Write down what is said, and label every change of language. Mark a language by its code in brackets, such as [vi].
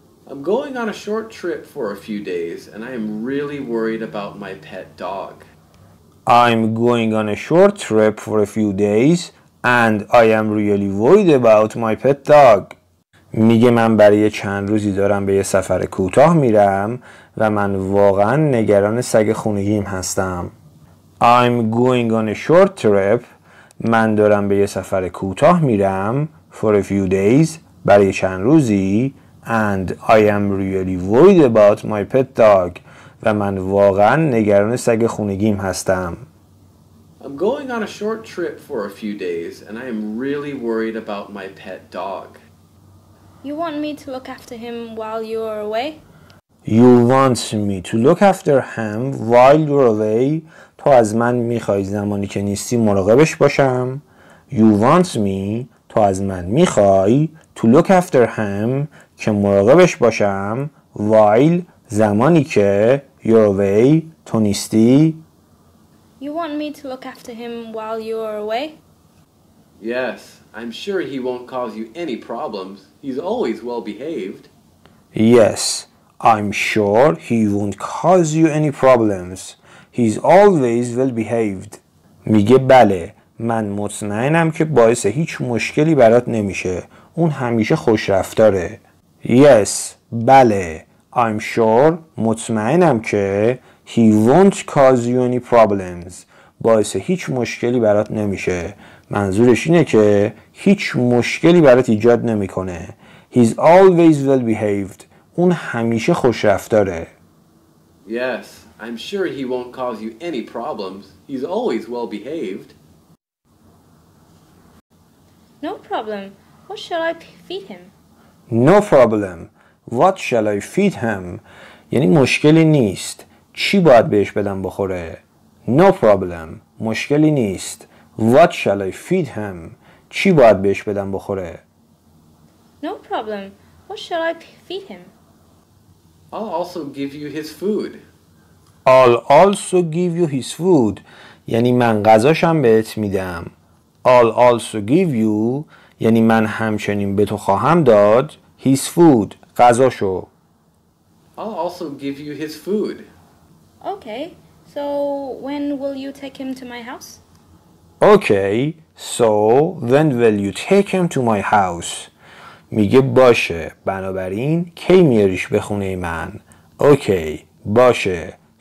[en] I'm going on a short trip for a few days, and I am really worried about my pet dog. I'm going on a short trip for a few days, and I am really worried about my pet dog. [fa] میگه من برای چند روزی دارم به یه سفر کوتاه میرم و من واقعا نگران سگ خونگیم هستم. [en] I'm going on a short trip. [fa] من دارم به یه سفر کوتاه میرم [en] for a few days [fa] برای چند روزی. [en] And I am really worried about my pet dog. [fa] و من واقعا نگران سگ خونگیم هستم. [en] I'm going on a short trip for a few days and I am really worried about my pet dog. You want me to look after him while you are away? You want me to look after him while you're away? [fa] تو از من میخوای زمانی که نیستی مراقبش باشم؟ [en] You want me [fa] تو از من میخوای [en] to look after him [fa] که مراقبش باشم while زمانی که [en] you're away [fa] تو نیستی. [en] You want me to look after him while you're away? Yes, I'm sure he won't cause you any problems. He's always well behaved. Yes, I'm sure he won't cause you any problems. He's always well behaved. [fa] میگه بله، من مطمئنم که باعث هیچ مشکلی برات نمیشه. اون همیشه خوش رفتاره. Yes, بله. [en] I'm sure. [fa] مطمئنم که [en] he won't cause you any problems. [fa] باعث هیچ مشکلی برات نمیشه. منظورش اینه که هیچ مشکلی برات ایجاد نمیکنه. [en] He's always well behaved. [fa] اون همیشه خوش رفتاره. [en] Yes, I'm sure he won't cause you any problems. He's always well behaved. No problem. What shall I feed him? No problem. What shall I feed him? [fa] یعنی مشکلی نیست. چی باید بهش بدم بخوره؟ [en] No problem. [fa] مشکلی نیست. [en] What shall I feed him? [fa] چی باید بهش بدم بخوره؟ [en] No problem. What shall I feed him? I'll also give you his food. I'll also give you his food. [fa] یعنی من غذاشم بهت میدم. [en] I'll also give you. [fa] یعنی من همچنین به تو خواهم داد [en] his food، [fa] غذاشو. [en] I'll also give you his food. Okay, so when will you take him to my house? Okay, so when will you take him to my house? [fa] میگه باشه، بنابراین کی میاریش به خونه من؟ Okay، باشه.